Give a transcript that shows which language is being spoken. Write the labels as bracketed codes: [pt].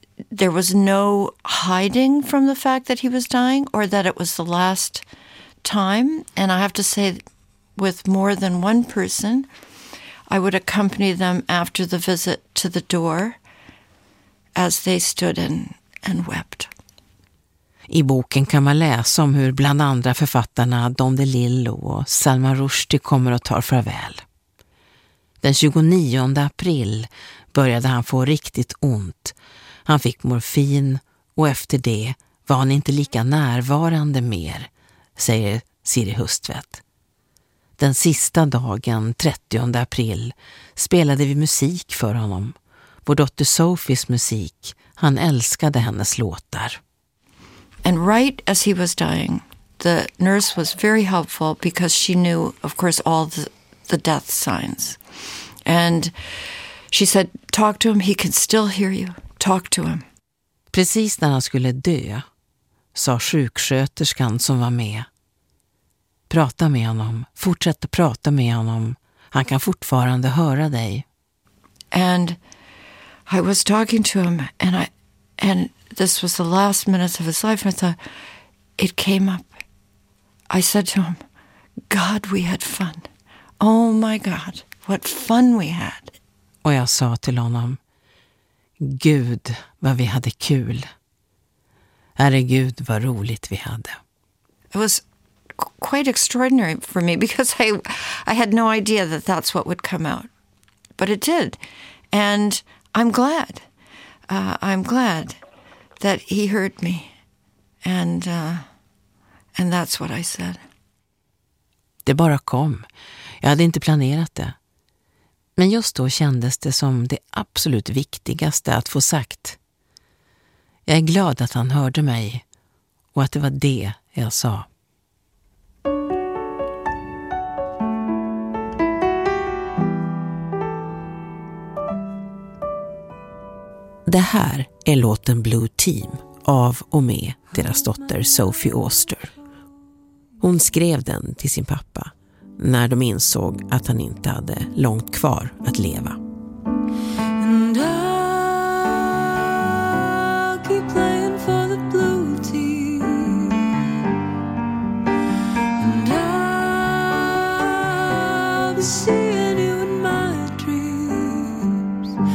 [en] there was no hiding from the fact that he was dying or that it was the last time. And I have to say, with more than one person, I would accompany them after the visit to the door as they stood and wept. [sv] I boken kan man läsa om hur bland andra författarna Don DeLillo och Salman Rushdie kommer och tar farväl. Den 29 april började han få riktigt ont. Han fick morfin och efter det var han inte lika närvarande mer, säger Siri Hustvedt. Den sista dagen, 30 april, spelade vi musik för honom. Vår dotter Sophies musik. Han älskade hennes låtar. [en] And right as he was dying, the nurse was very helpful because she knew, of course, all the death signs. And she said, talk to him, he can still hear you. Talk to him. [sv] Precis när han skulle dö, sa sjuksköterskan som var med. Prata med honom, fortsätt att prata med honom. Han kan fortfarande höra dig. [en] And I was talking to him and this was the last minutes of his life. I thought, it came up. I said to him, God, we had fun. Oh my God, what fun we had. [sv] Och jag sa till honom, Gud, vad vi hade kul. Herregud, vad roligt vi hade. [en] It was quite extraordinary for me because I had no idea that that's what would come out. But it did. And I'm glad. I'm glad that he heard me, and that's what I said. [sv] Det bara kom. Jag hade inte planerat det. Men just då kändes det som det absolut viktigaste att få sagt. Jag är glad att han hörde mig och att det var det jag sa. Det här är låten Blue Team av och med deras dotter Sophie Auster. Hon skrev den till sin pappa när de insåg att han inte hade långt kvar att leva. [en] And I'll keep playing for the blue team. And I'll be seeing you in my dreams.